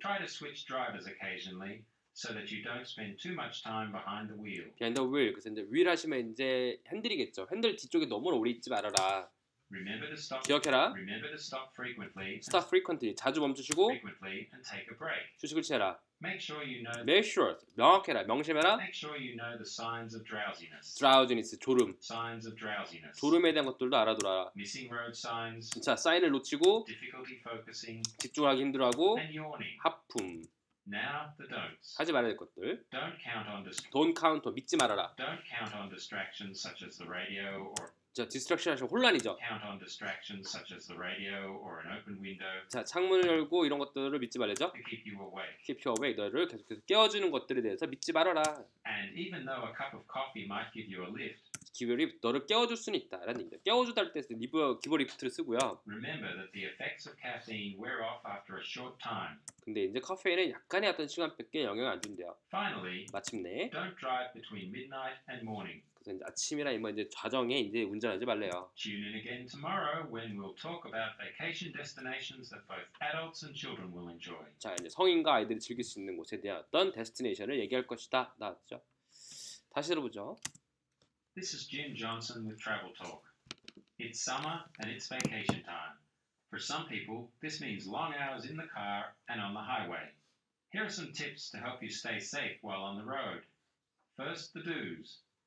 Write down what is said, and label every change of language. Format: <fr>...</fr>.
<en>Try to switch drivers occasionally so that you don't spend too much time behind the wheel. Behind the wheel.</en> <ko>그래서 이제 wheel 하시면 이제 핸들이겠죠. 핸들 뒤쪽에 너무 오래 있지 말아라.</ko> <en>Remember to stop.</en> <ko>기억해라.</ko> <en>Remember to stop frequently. Stop frequently.</en> <ko>자주 멈추시고</ko> <en>frequently and take a break.</en> <ko>휴식을 취해라.</ko> <en>Make sure you know. Make sure.</en> <ko>명확해라. 명심해라.</ko> <en>Make sure you know the signs of drowsiness.</en> <ko>Drowsiness. 졸음.</ko> <en>Signs of drowsiness.</en> <ko>졸음에 대한 것들도 알아두라.</ko> <en>Missing road signs.</en> <ko>자, 사인을 놓치고.</ko> <en>Difficulty focusing.</en> <ko>집중하기 힘들어하고.</ko> <en>And yawning.</en> <ko>하품.</ko> <en>Now the don'ts.</en> <ko>하지 말아야 될 것들.</ko> <en>Don't count on Don't count</en> <ko>믿지 말아라.</ko> <en>Don't count on distractions such as the radio or</en> <ko>자, 디스트랙션 하시면 혼란이죠.</ko> <en>Count on distractions such as the radio or an open window.</en> <ko>자, 창문을 열고 이런 것들을 믿지 말아야죠.</ko> <en>Keep you awake. Keep you awake.</en> <ko>너를 계속해서 깨워주는 것들에 대해서 믿지 말아라.</ko> <en>And even though a cup of coffee might give you a lift. Give a lift.</en> <ko>너를 깨워줄 수는 있다라는 얘기죠. 깨워주다 할 때</ko> <en>give a lift</en> <ko>를 쓰고요.</ko> <en>Remember that the effects of caffeine wear off after a short time.</en> <ko>근데 이제 카페인은 약간의 어떤 시간밖에 영향을 안 준대요.</ko> <en>Finally,</en> <ko>마침내.</ko> <en>Don't drive between midnight and morning.</en> <ko>그래서 이제 아침이나 이번 이제 좌정에 이제 운전하지 말래요.</ko> <en>Tune in again tomorrow when we'll talk about vacation destinations that both adults and children will enjoy.</en> <ko>자, 이제 성인과 아이들이 즐길 수 있는 곳에 대한 어떤 데스티네이션을 얘기할 것이다. 나왔죠. 다시 들어보죠.</ko> <en>This is Jim Johnson with Travel Talk. It's summer and it's vacation time. For some people, this means long hours in the car and on the highway. Here are some tips to help you stay safe while on the road. First, the do's.</en>